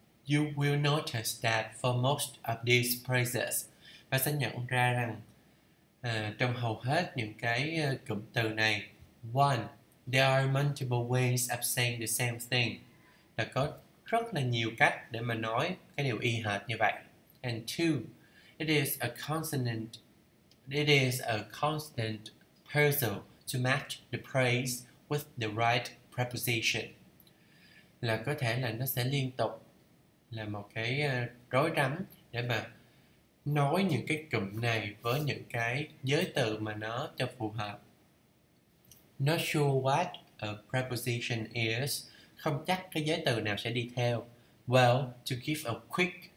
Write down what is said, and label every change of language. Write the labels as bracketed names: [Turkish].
[English] You will notice that for most of these phrases, [Vietnamese] và sẽ nhận ra rằng trong hầu hết những cái cụm từ này, [English] one, there are multiple ways of saying the same thing, [Vietnamese] là có rất là nhiều cách để mà nói cái điều y hệt như vậy. [English] And two, it is a constant puzzle to match the phrase with the right preposition. [Vietnamese] Là có thể là nó sẽ liên tục là một cái rối rắm để mà nói những cái cụm này với những cái giới từ mà nó cho phù hợp. [English] Not sure what a preposition is. [Vietnamese] Không chắc cái giới từ nào sẽ đi theo. [English] Well, to give a quick